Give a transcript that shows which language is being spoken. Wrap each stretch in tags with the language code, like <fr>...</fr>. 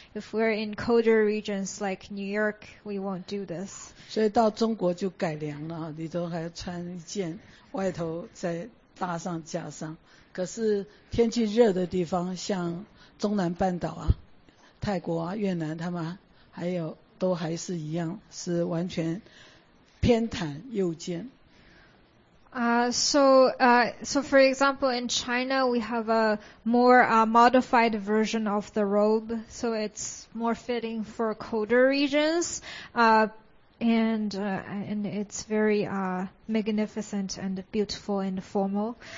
<en>If we're in colder regions like New York, we won't do this.</en> <zh>所以到中国就改良了，里头还穿一件，外头再搭上加上。可是天气热的地方，像中南半岛啊、泰国啊、越南，他们还有都还是一样，是完全偏袒右肩。</zh> <en>So for example, in China, we have a more modified version of the robe, so it's more fitting for colder regions, and it's very magnificent and beautiful and formal.</en>